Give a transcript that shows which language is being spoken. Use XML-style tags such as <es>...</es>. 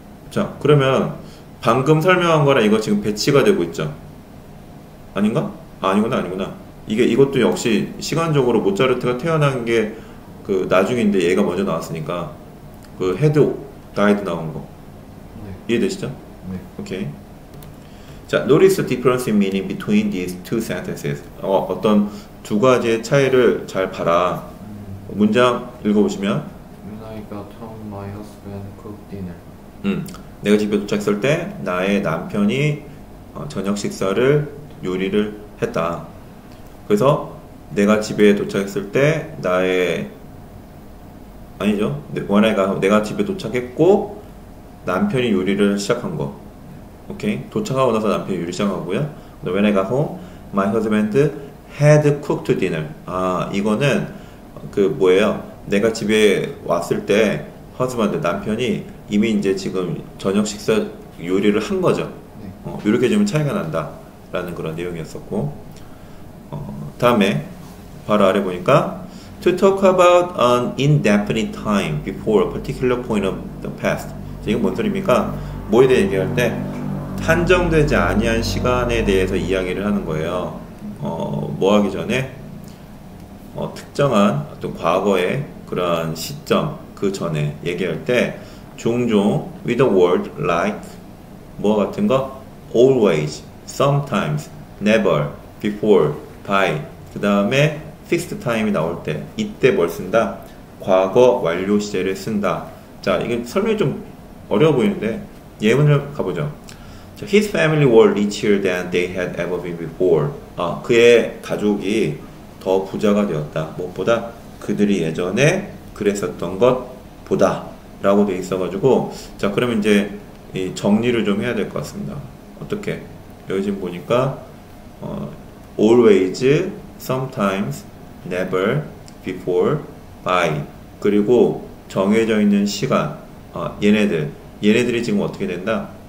<ko>자, 그러면 방금 설명한 거랑 이거 지금 배치가 되고 있죠? 아닌가? 아니구나. 이것도 역시 시간적으로 모차르트가 태어난 게 그 나중인데 얘가 먼저 나왔으니까 그 헤드 가이드 나온 거. 네. 이해되시죠? 네. 오케이.</ko> <en>자, notice the difference in meaning between these two sentences.</en> <ko>어떤 두 가지의 차이를 잘 봐라. 문장 읽어보시면.</ko> <en>When I got home, my husband cooked dinner.</en> <ko>내가 집에 도착했을 때 나의 남편이 저녁 식사를 요리를 했다. 그래서 내가 집에 도착했을 때 내가 집에 도착했고 남편이 요리를 시작한 거. 오케이. 도착하고 나서 남편이 요리 시작하고요.</ko> <en>When I got home, my husband had cooked dinner.</en> <ko>아, 이거는 그 뭐예요? 내가 집에 왔을 때 husband 남편이 이미 이제 지금 저녁 식사 요리를 한 거죠. 이렇게 좀 차이가 난다 라는 그런 내용이었었고, 다음에 바로 아래 보니까</ko> <en>to talk about an indefinite time before a particular point of the past.</en> <ko>이게 뭔 소리입니까? 뭐에 대해 얘기할 때 한정되지 아니한 시간에 대해서 이야기를 하는 거예요. 뭐 하기 전에 특정한 어떤 과거의 그런 시점 그 전에 얘기할 때 종종</ko> <en>with a word like</en> <ko>뭐 같은 거</ko> <en>always, sometimes, never, before, by</en> <ko>그 다음에</ko> <en>fixed time</en> <ko>이 나올 때 이때 뭘 쓴다? 과거 완료 시제를 쓴다. 자, 이게 설명이 좀 어려워 보이는데 예문을 가보죠.</ko> <en>자, his family were richer than they had ever been before.</en> <ko>그의 가족이 더 부자가 되었다. 무엇보다 그들이 예전에 그랬었던 것 보다 라고 돼 있어가지고, 자, 그러면 이제 이 정리를 좀 해야 될 것 같습니다. 어떻게 여기 지금 보니까 always, sometimes, never, before, by 그리고 정해져 있는 시간 얘네들이 지금 어떻게 된다?</ko>